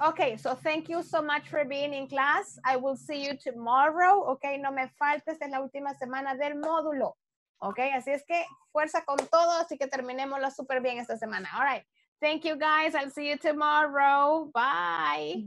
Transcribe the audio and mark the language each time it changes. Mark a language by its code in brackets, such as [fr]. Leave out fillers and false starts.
[en] Okay, so thank you so much for being in class. I will see you tomorrow. [es] Okay, no me faltes en la última semana del módulo. Okay, así es que fuerza con todo, así que terminémoslo súper bien esta semana. [en] All right, thank you, guys. I'll see you tomorrow. Bye.